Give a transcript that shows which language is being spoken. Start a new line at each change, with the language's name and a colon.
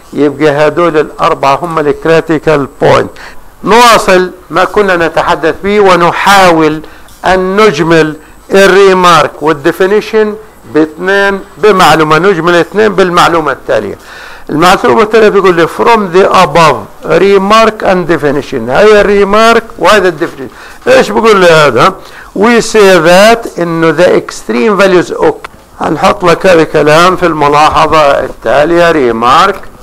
Arabic: يبقى هدول الأربعة هم الكريتيكال بوينت. نواصل ما كنا نتحدث به ونحاول أن نجمل الريمارك والديفينيشن باثنين بمعلومة، نجمل اثنين بالمعلومة التالية. المعلومة التالية بيقول لي
English: from the above remark and definition،
Arabic: هاي الريمارك وهذا الديفينيشن. ايش بيقول لي هذا؟
English: we say that
Arabic: انه
English: the extreme values okay.
Arabic: هنحط لك هذا الكلام في الملاحظة التالية remark.